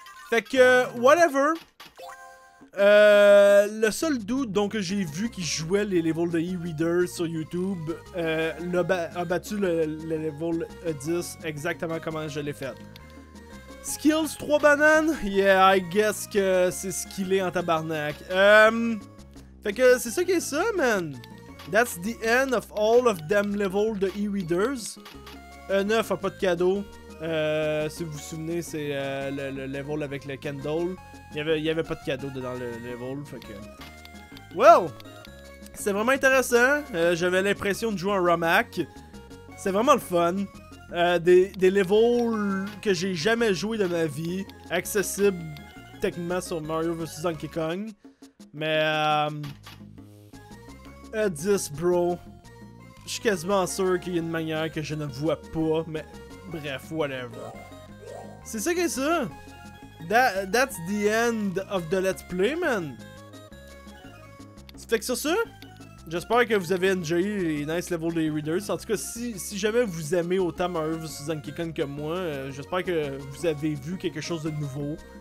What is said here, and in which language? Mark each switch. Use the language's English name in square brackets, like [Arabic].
[French] Fait que, whatever. Le seul dude donc, que j'ai vu qui jouait les levels de e-reader sur YouTube a battu le level 10 exactement comment je l'ai fait. Skills, 3 bananes? [English] Yeah, I guess [French] que c'est skillé en tabarnak. Fait que c'est ça qui est ça, man. [English] That's the end of all of them levels [French] de e-readers. E9 a pas de cadeau. Si vous vous souvenez, c'est le level avec le candle. Il y avait pas de cadeau dedans le level, fait que... Well! C'était vraiment intéressant, j'avais l'impression de jouer un ROM hack. C'était vraiment le fun. Des levels que j'ai jamais joué de ma vie, accessibles techniquement sur Mario vs Donkey Kong. Mais... Edis, bro. Je suis quasiment sûr qu'il y a une manière que je ne vois pas, mais... Bref, whatever. C'est ça qui est ça! [English] That's the end of the let's play, man. [French] C'est fait que sur ça, j'espère que vous avez enjoyé les nice levels des readers. En tout cas, si jamais vous aimez autant Mario vs Donkey Kong que moi, j'espère que vous avez vu quelque chose de nouveau.